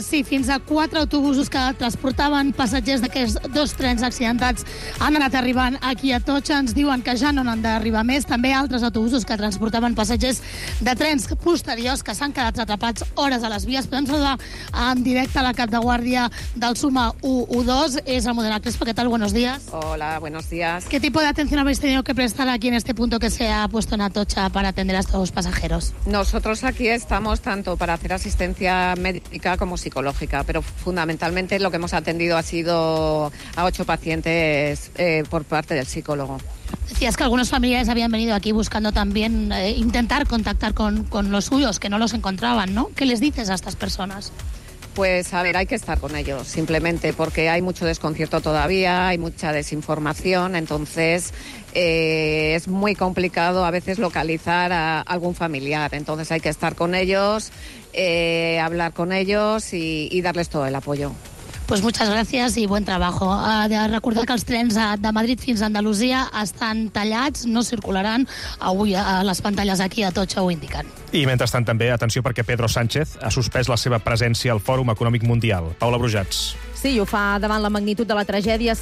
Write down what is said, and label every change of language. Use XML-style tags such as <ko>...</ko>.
<ca>Sí, fins a 4 autobusos que transportaven passatgers d'aquests dos trens accidentats han anat arribant aquí a Atocha. Ens diuen que ja no n'han d'arribar més. També altres autobusos que transportaven passatgers de trens posteriors que s'han quedat atrapats hores a les vies. Podem saludar en directe a la cap de guàrdia del Suma 112. És el Modena Crespo. Què tal?</ca> <es>Buenos días. Hola, buenos días. ¿Qué tipo de atención habéis tenido que prestar aquí en este punto que se ha puesto en Atocha para atender a estos pasajeros? Nosotros aquí estamos tanto para hacer asistencia médica como psicológica, pero fundamentalmente lo que hemos atendido ha sido a 8 pacientes por parte del psicólogo. Decías que algunos familiares habían venido aquí buscando también intentar contactar con los suyos, que no los encontraban, ¿no? ¿Qué les dices a estas personas? Pues a ver, hay que estar con ellos, simplemente porque hay mucho desconcierto todavía, hay mucha desinformación, entonces es muy complicado a veces localizar a algún familiar, entonces hay que estar con ellos, hablar con ellos y darles todo el apoyo. Pues muchas gracias y buen trabajo.</es> <ca>Recordar que els trens de Madrid fins a Andalusia estan tallats, no circularan. Avui les pantalles aquí a Atocha ho indiquen. I mentrestant també, atenció, perquè Pedro Sánchez ha suspès la seva presència al Fòrum Econòmic Mundial. Paula Brujats. Sí, ho fa davant la magnitud de la tragèdia.</ca>